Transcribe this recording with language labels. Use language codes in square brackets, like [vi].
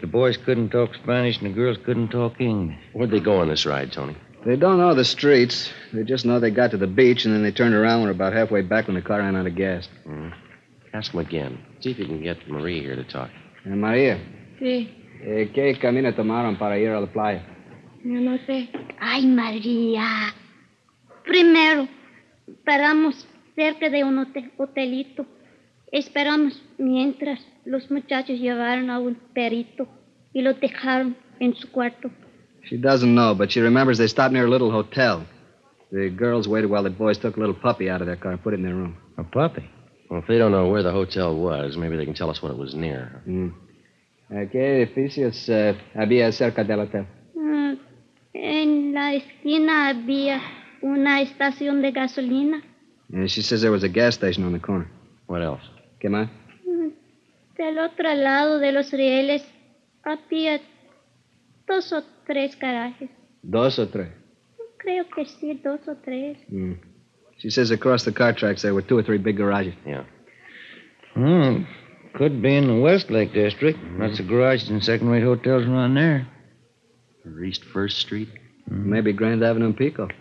[en] The boys couldn't talk Spanish and the girls couldn't talk English. Where'd they go on this ride, Tony? They don't know the streets. They just know they got to the beach and then they turned around and were about halfway back when the car ran out of gas. Mm-hmm. Ask him again. See if you can get Marie here to talk. Maria. [es] Sí. ¿Qué camino tomaron para ir a la playa? Yo no sé. Ay, Maria. Primero, paramos cerca de un hotelito. Esperamos mientras los muchachos llevaron a un perrito y lo dejaron en su cuarto. [en] She doesn't know, but she remembers they stopped near a little hotel. The girls waited while the boys took a little puppy out of their car and put it in their room. A puppy? Well, if they don't know where the hotel was, maybe they can tell us what it was near. [es] ¿Qué edificios había cerca del hotel? En la esquina había una estación de gasolina. [en] And she says there was a gas station on the corner. What else? [es] ¿Qué más? Del otro lado de los rieles había dos o tres garajes. ¿Dos o tres? Creo que sí, dos o tres. [en] She says across the car tracks there were two or three big garages. Yeah. Could be in the Westlake District. That's the garages and second-rate hotels around there. Or East First Street? Maybe Grand Avenue and Pico.